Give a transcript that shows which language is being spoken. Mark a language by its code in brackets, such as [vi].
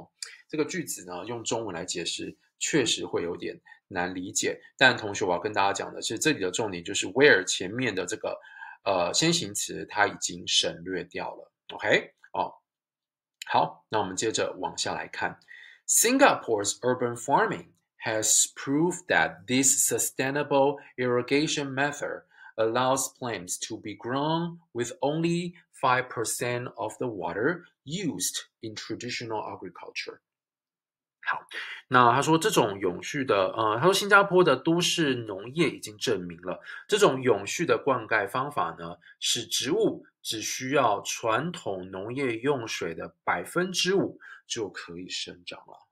[zh] 哈，这个句子呢用中文来解释确实会有点难理解，但同学我要跟大家讲的是，这里的重点就是 where 前面的这个。先行词它已经省略掉了，OK，哦，好，那我们接着往下来看。 [en] Singapore's urban farming has proved that this sustainable irrigation method allows plants to be grown with only 5% of the water used in traditional agriculture。 [zh] 好，那他说这种永续的，他说新加坡的都市农业已经证明了这种永续的灌溉方法呢，使植物只需要传统农业用水的5%就可以生长了。